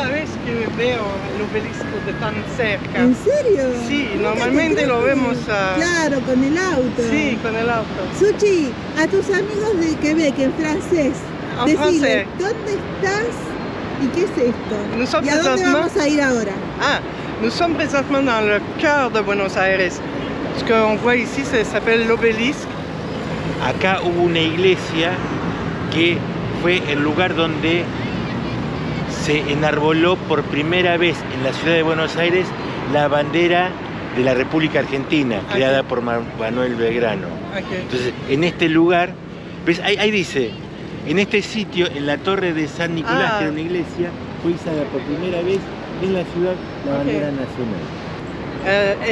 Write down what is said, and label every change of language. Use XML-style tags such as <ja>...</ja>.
<es>primera vez que veo el obelisco de tan cerca. ¿En serio? Sí, normalmente lo vemos a... Claro, con el auto. Sí, con el auto. Suchi, a tus amigos de Quebec, en francés, decirle, ¿dónde estás y qué es esto? Nosotros ¿y a dónde vamos a ir ahora?</es> <fr>Ah, nous sommes présentement dans le cœur de Buenos Aires. Ce qu'on voit ici, ça s'appelle l'obélisque.</fr> <es>Acá hubo una iglesia que fue el lugar donde se enarboló por primera vez en la ciudad de Buenos Aires la bandera de la República Argentina, creada por Manuel Belgrano. Entonces, en este lugar, ¿ves? Ahí dice, en este sitio, en la torre de San Nicolás, que era una iglesia, fue izada por primera vez en la ciudad la bandera nacional.</es>